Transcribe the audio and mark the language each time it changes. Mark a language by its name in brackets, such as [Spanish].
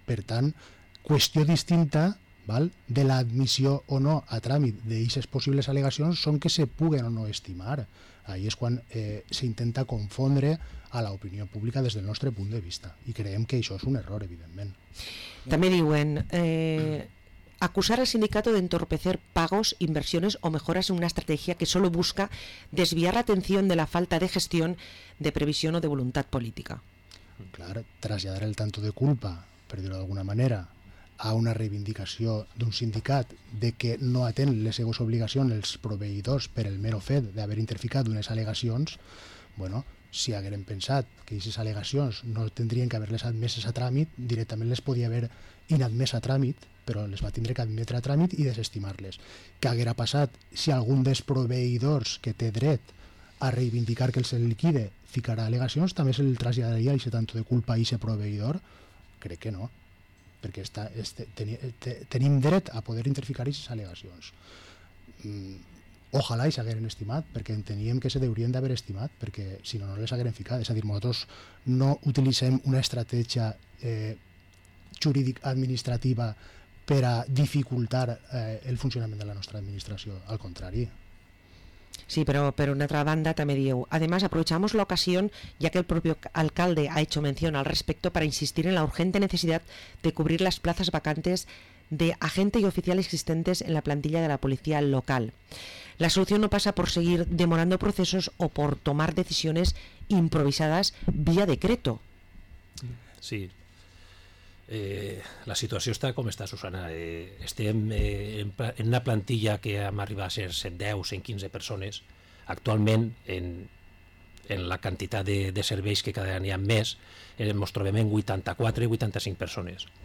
[Catalan] Per tant, qüestió distinta, val, de l'admissió o no a tràmit d'aquestes possibles alegacions, són que se puguen o no estimar. Ahí és quan s'intenta confondre a l'opinió pública des del nostre punt de vista. I creiem que això és un error, evidentment. També diuen: [Spanish] acusar al sindicato de entorpecer pagos, inversiones o mejoras en una estrategia que solo busca desviar la atención de la falta de gestión, de previsión o de voluntad política. [Catalan] Clar, traslladar el tanto de culpa, per dir-ho d'alguna manera, a una reivindicació d'un sindicat de que no atén les seves obligacions els proveïdors per el mero fet d'haver interficat unes al·legacions, bueno, si haguerem pensat que aquestes al·legacions no tindrien que haver-les admeses a tràmit, directament les podia haver inadmes a tràmit, però les va tindre que admetre a tràmit i desestimar-les. Què haguera passat si algun dels proveïdors que té dret a reivindicar que els liquide ficarà al·legacions, també se'l traslladaria a aquest tanto de culpa a aquest proveïdor? Crec que no, perquè tenim dret a poder interficar aquestes al·legacions. Ojalà i s'hagueren estimat, perquè enteníem que se deurien d'haver estimat, perquè si no, no les hagueren ficat. És a dir, nosaltres no utilitzem una estratègia jurídic-administrativa per a dificultar el funcionament de la nostra administració, al contrari. [Spanish] Sí, pero una otra banda también dijo: además, aprovechamos la ocasión, ya que el propio alcalde ha hecho mención al respecto, para insistir en la urgente necesidad de cubrir las plazas vacantes de agente y oficial existentes en la plantilla de la policía local. La solución no pasa por seguir demorando procesos o por tomar decisiones improvisadas vía decreto. Sí. [Catalan] La situació està com està, Susana. Estem en una plantilla que hem arribat a ser 110-115 persones. Actualment, en la quantitat de serveis que cada any hi ha més, ens trobem en 84-85 persones.